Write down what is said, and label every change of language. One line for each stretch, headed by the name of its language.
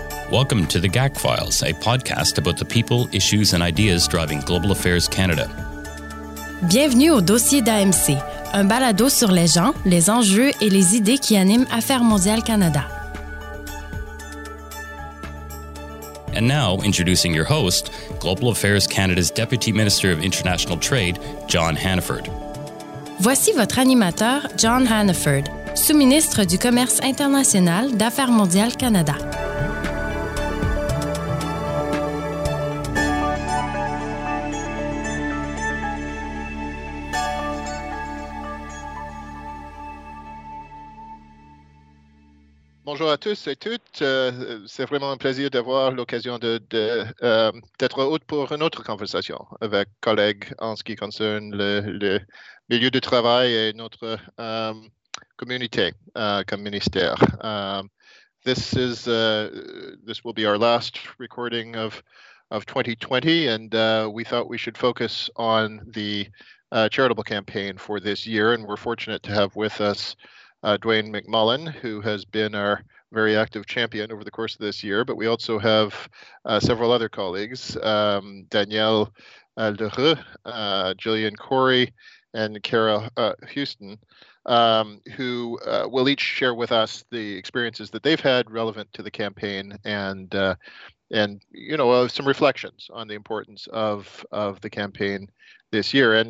English: Welcome to The GAC Files, a podcast about the people, issues and ideas driving Global Affairs Canada.
French: Bienvenue au dossier d'AMC, un balado sur les gens, les enjeux et les idées qui animent Affaires mondiales Canada.
English: And now, introducing your host, Global Affairs Canada's Deputy Minister of International Trade, John Hannaford.
French: Voici votre animateur, John Hannaford, sous-ministre du Commerce international d'Affaires mondiales Canada. Bonjour à tous et toutes. C'est vraiment un plaisir d'avoir l'occasion d'être hôte pour une autre conversation avec collègues en ce qui concerne le milieu du travail et notre communauté comme ministère.
English: This will be our last recording of 2020, and we thought we should focus on the charitable campaign for this year. And we're fortunate to have with us Dwayne McMullen, who has been our very active champion over the course of this year, but we also have several other colleagues, Danielle Lheureux, Gillian Corey, and Kara Houston, who will each share with us the experiences that they've had relevant to the campaign and you know, some reflections on the importance of the campaign this year.